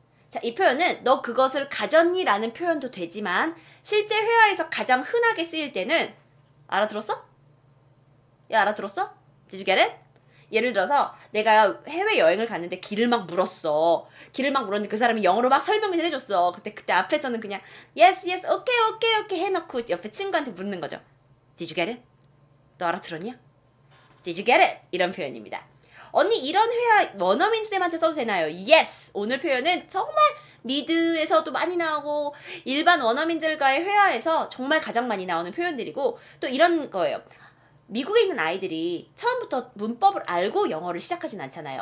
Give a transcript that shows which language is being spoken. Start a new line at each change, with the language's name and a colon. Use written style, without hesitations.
Korean: 자, 이 표현은 너 그것을 가졌니? 라는 표현도 되지만 실제 회화에서 가장 흔하게 쓰일 때는 알아들었어? 야, 알아들었어?
English: Did you get it?
Korean: 예를 들어서 내가 해외여행을 갔는데 길을 막 물었어. 길을 막 물었는데 그 사람이 영어로 막 설명을 해줬어. 그때 앞에서는 그냥
English: yes, yes, okay, okay, okay
Korean: 해놓고 옆에 친구한테 묻는 거죠.
English: Did you get it?
Korean: 너 알아들었냐?
English: Did you get it?
Korean: 이런 표현입니다. 언니 이런 회화 원어민쌤한테 써도 되나요?
English: Yes!
Korean: 오늘 표현은 정말 미드에서도 많이 나오고 일반 원어민들과의 회화에서 정말 가장 많이 나오는 표현들이고 또 이런 거예요. 미국에 있는 아이들이 처음부터 문법을 알고 영어를 시작하진 않잖아요.